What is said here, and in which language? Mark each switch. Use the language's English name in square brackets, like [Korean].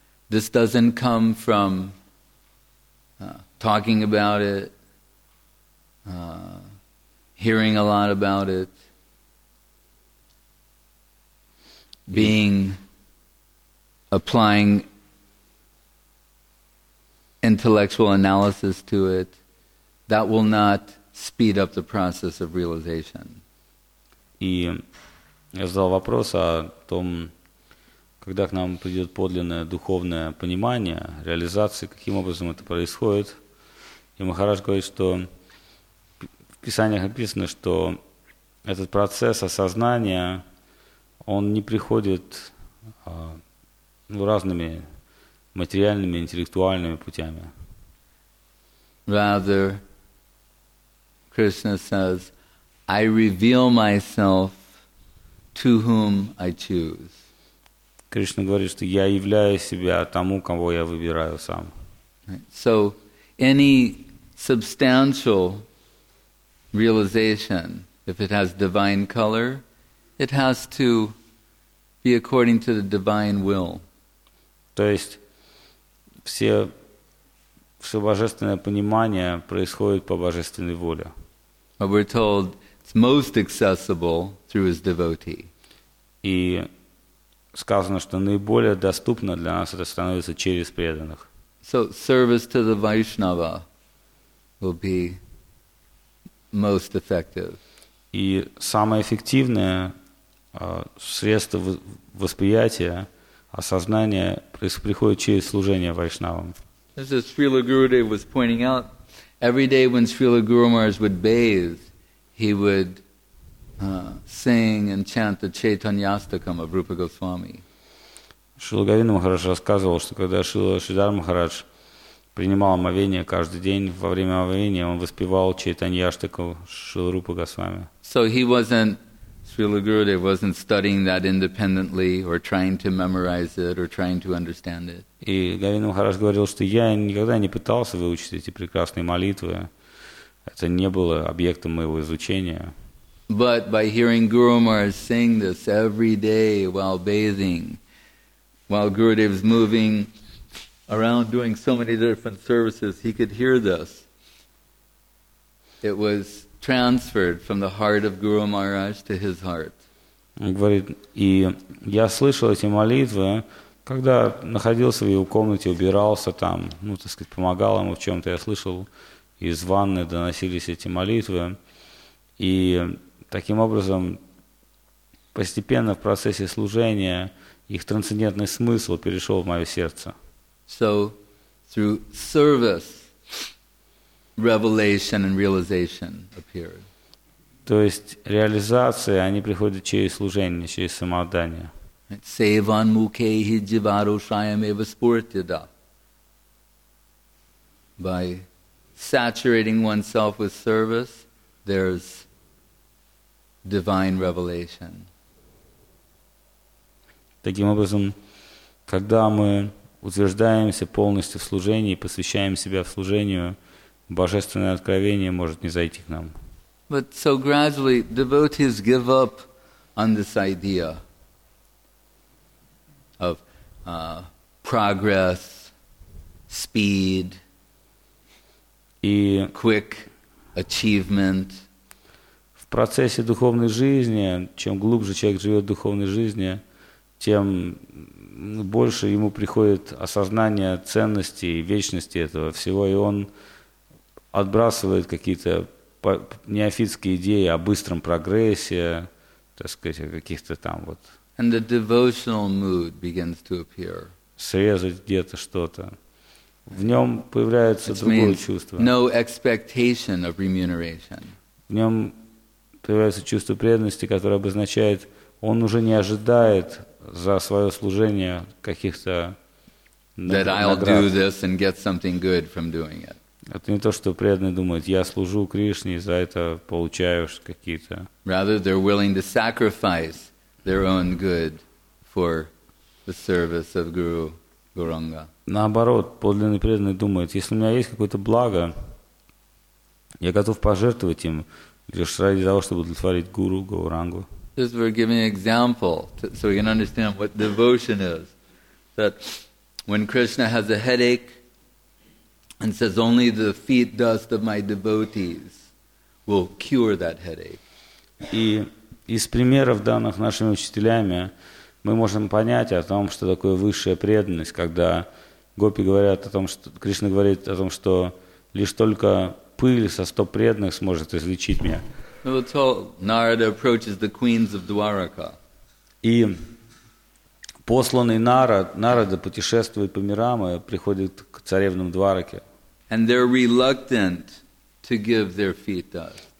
[English] This doesn't come from talking about it, hearing a lot about it, being applying intellectual analysis to it, that will not speed up the process of realization. [Russian] И я задал вопрос о том, когда к нам придет подлинное духовное понимание, реализация, каким образом это происходит. И Махарадж говорит, что в Писаниях описано, что этот процесс осознания, он не приходит разными материальными, интеллектуальными путями. [English] Rather, Krishna says, I reveal myself to whom I choose. [Russian] Кришна говорит, что я являю себя тому, кого я выбираю сам. [English] So, any substantial realization, if it has divine color, it has to be according to the divine will. [Russian] То есть все божественное понимание происходит по божественной воле. [English] But we're told it's most accessible through his devotee. [Russian] И сказано, что наиболее доступно для нас это становится через преданных. [English] So service to the Vaishnava will be most effective. [Russian] И самое эффективное средство восприятия, осознания приходит через служение вайшнавам. [English] This is Srila Gurudev was pointing out, every day when Srila Guru Maharaj would bathe, he would sing and chant the Chaitanyastakam of Rupa Goswami. [Russian] Шрила Говинда Махарадж рассказывал, что когда Шрила Шридхар Махарадж принимал омовение каждый день, во время омовения он воспевал Чайтаньяштаку Шрила Рупа Госвами. [English] So he wasn't, Srila Gurudev wasn't studying that independently or trying to memorize it or trying to understand it. [Russian] И Говинда Махарадж говорил, что я никогда не пытался выучить эти прекрасные молитвы. Это не было объектом моего изучения. [English] But by hearing Guru Maharaj sing this every day while bathing, while Gurudev is moving around doing so many different services, he could hear this. It was transferred from the heart of Guru Maharaj to his heart. [Russian] Он говорит, и я слышал эти молитвы, когда находился в его комнате, убирался там, ну, так сказать, помогал ему в чем-то, я слышал, из ванны доносились эти молитвы, и таким образом постепенно в процессе служения их трансцендентный смысл перешел в мое сердце. [English] So through service, revelation and realization appeared. [Russian] То есть реализация, они приходят через служение, через самоотдание. [Sanskrit] Севан мукхе дживару шаямева спуртида. [English] By saturating oneself with service, there's divine revelation. [Russian] Таким образом, когда мы утверждаемся полностью в служении, посвящаем себя в служению, божественное откровение может не зайти к нам. [English] But so gradually, devotees give up on this idea of progress, speed, quick achievement. [Russian] В процессе духовной жизни, чем глубже человек живет в духовной жизни, тем больше ему приходит осознание ценности и вечности этого всего, и он отбрасывает какие-то неофитские идеи о быстром прогрессе, так сказать, о каких-то там вот... [English] And the devotional mood begins to appear. [Russian] Срезать где-то что-то. В нем появляется другое чувство. [English] No expectation of remuneration. [Russian] В нем появляется чувство преданности, которое обозначает, он уже не ожидает за свое служение каких-то [English] that [Russian] наград. [English] I'll do this and get something good from doing it. [Russian] Это не то, что преданный думает, я служу Кришне, и за это получаешь какие-то. [English] Rather, they're willing to sacrifice their own good for the service of Guru Gauranga. [Russian] Наоборот, подлинный преданный думает, если у меня есть какое-то благо, я готов пожертвовать им лишь ради того, чтобы удовлетворить Гуру Гаурангу. [English] This we're giving an example to, so we can understand what devotion is. That when Krishna has a headache and says, only the feet dust of my devotees will cure that headache. [Russian] И из примеров, данных нашими учителями, мы можем понять о том, что такое высшая преданность, когда гопи говорят о том, что Кришна говорит о том, что лишь только пыль со стоп преданных сможет излечить меня. [English] We'll tell Narada approaches the queens of Dwaraka. [Russian] И посланный Нарада путешествует по мирам и приходит к царевнам Двараки. [English] And they're reluctant to give their feet dust.